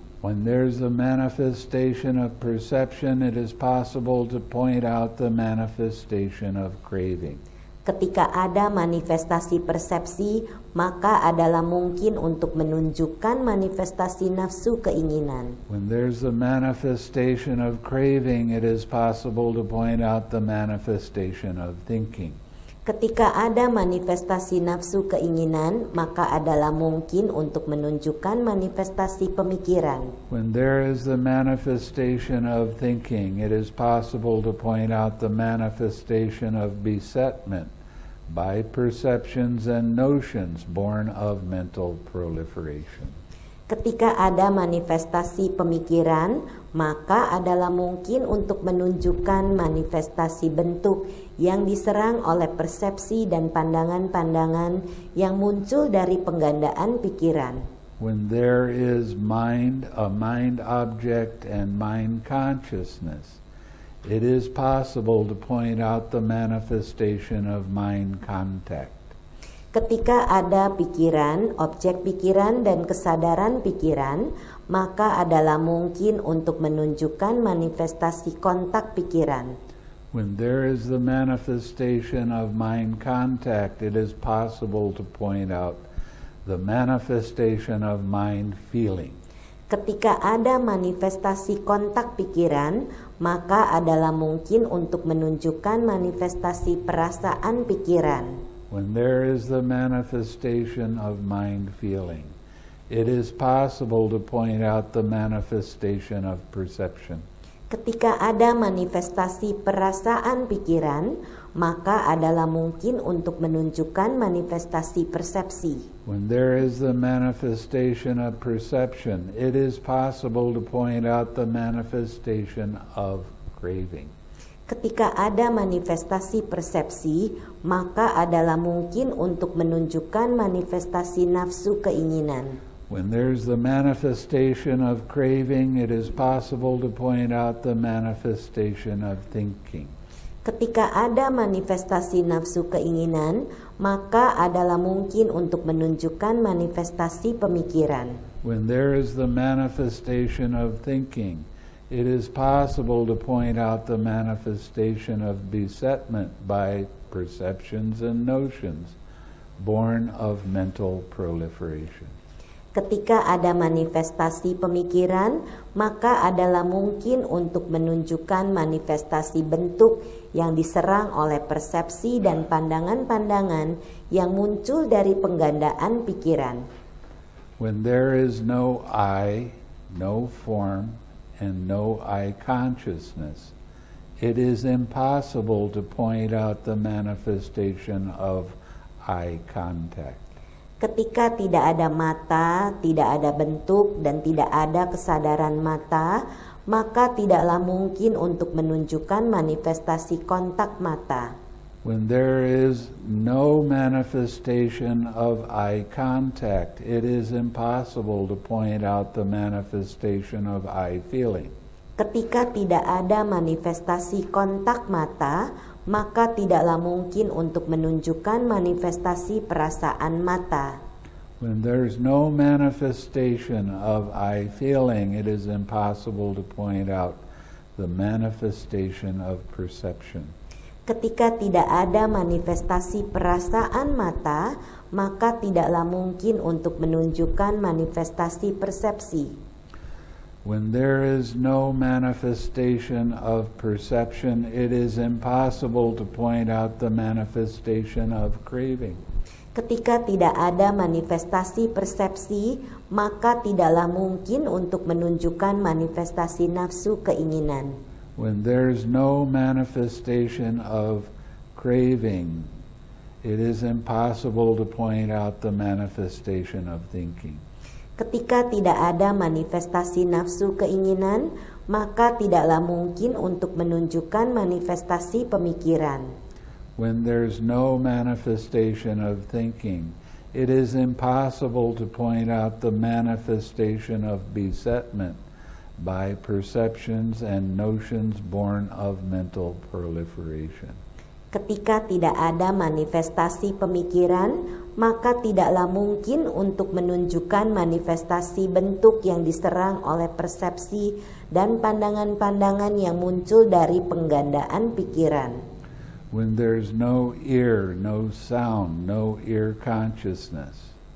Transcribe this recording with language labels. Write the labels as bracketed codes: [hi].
[en] When there's a manifestation of perception, it is possible to point out the manifestation of craving. [id] Ketika ada manifestasi persepsi, maka adalah mungkin untuk menunjukkan manifestasi nafsu keinginan. [en] When there's a manifestation of craving, it is possible to point out the manifestation of thinking. [id] Ketika ada manifestasi nafsu keinginan, maka adalah mungkin untuk menunjukkan manifestasi pemikiran. [en] When there is the manifestation of thinking, it is possible to point out the manifestation of besetment by perceptions and notions born of mental proliferation. [id] Ketika ada manifestasi pemikiran, maka adalah mungkin untuk menunjukkan manifestasi bentuk yang diserang oleh persepsi dan pandangan-pandangan yang muncul dari penggandaan pikiran. [en] When there is mind, a mind object and mind consciousness, it is possible to point out the manifestation of mind contact. [id] Ketika ada pikiran, objek pikiran, dan kesadaran pikiran, maka adalah mungkin untuk menunjukkan manifestasi kontak pikiran. [en] When there is the manifestation of mind contact, it is possible to point out the manifestation of mind feeling. [id] Ketika ada manifestasi kontak pikiran, maka adalah mungkin untuk menunjukkan manifestasi perasaan pikiran. [en] When there is the manifestation of mind feeling, it is possible to point out the manifestation of perception. [id] Ketika ada manifestasi perasaan pikiran, maka adalah mungkin untuk menunjukkan manifestasi persepsi. [en] When there is the manifestation of perception, it is possible to point out the manifestation of craving. [id] Ketika ada manifestasi persepsi, maka adalah mungkin untuk menunjukkan manifestasi nafsu keinginan. [en] When there's the manifestation of craving, it is possible to point out the manifestation of thinking. [id] Ketika ada manifestasi nafsu keinginan, maka adalah mungkin untuk menunjukkan manifestasi pemikiran. [en] When there is the manifestation of thinking, it is possible to point out the manifestation of besetment by perceptions and notions born of mental proliferation. [id] Ketika ada manifestasi pemikiran, maka adalah mungkin untuk menunjukkan manifestasi bentuk yang diserang oleh persepsi dan pandangan-pandangan yang muncul dari penggandaan pikiran. [en] When there is no I, no form, and no I consciousness, it is impossible to point out the manifestation of I contact. [id] Ketika tidak ada mata, tidak ada bentuk, dan tidak ada kesadaran mata, maka tidaklah mungkin untuk menunjukkan manifestasi kontak mata. [en] When there is no manifestation of eye contact, it is impossible to point out the manifestation of eye feeling. [id] Ketika tidak ada manifestasi kontak mata, maka tidaklah mungkin untuk menunjukkan manifestasi perasaan mata. [en] When there is no manifestation of eye feeling, it is impossible to point out the manifestation of perception. [id] Ketika tidak ada manifestasi perasaan mata, maka tidaklah mungkin untuk menunjukkan manifestasi persepsi. [en] When there is no manifestation of perception, it is impossible to point out the manifestation of craving. [id] Ketika tidak ada manifestasi persepsi, maka tidaklah mungkin untuk menunjukkan manifestasi nafsu keinginan. [en] When there is no manifestation of craving, it is impossible to point out the manifestation of thinking. [id] Ketika tidak ada manifestasi nafsu keinginan, maka tidaklah mungkin untuk menunjukkan manifestasi pemikiran. [en] When there is no manifestation of thinking, it is impossible to point out the manifestation of besetment by perceptions and notions born of mental proliferation. [id] Ketika tidak ada manifestasi pemikiran, maka tidaklah mungkin untuk menunjukkan manifestasi bentuk yang diserang oleh persepsi dan pandangan-pandangan yang muncul dari penggandaan pikiran. [en] when there's no ear, no sound, no ear consciousness.